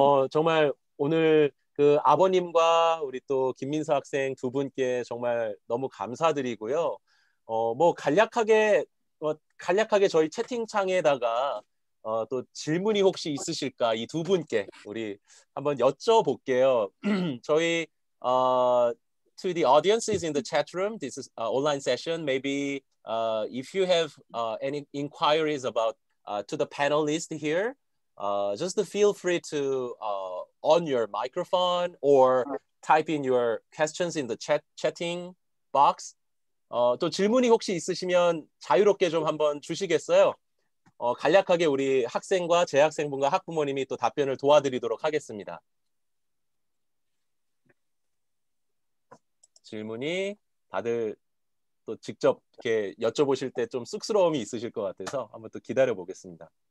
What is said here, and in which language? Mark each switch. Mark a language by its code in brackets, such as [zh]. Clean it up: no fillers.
[ko] 정말 오늘 그 아버님과 우리 또 김민서 학생 두 분께 정말 너무 감사드리고요. 뭐 간략하게 저희 채팅창에다가 또 질문이 혹시 있으실까 이 두 분께 우리 한번 여쭤볼게요. 저희 [en] to the audiences in the chat room, this is online session. Maybe if you have any inquiries about to the panelists here. Just feel free to on your microphone or type in your questions in the chatting box. [ko] 또 질문이 혹시 있으시면 자유롭게 좀 한번 주시겠어요? 간략하게 우리 학생과 재학생분과 학부모님이 또 답변을 도와드리도록 하겠습니다. 질문이 다들 또 직접 이렇게 여쭤보실 때 좀 쑥스러움이 있으실 것 같아서 한번 또 기다려 보겠습니다.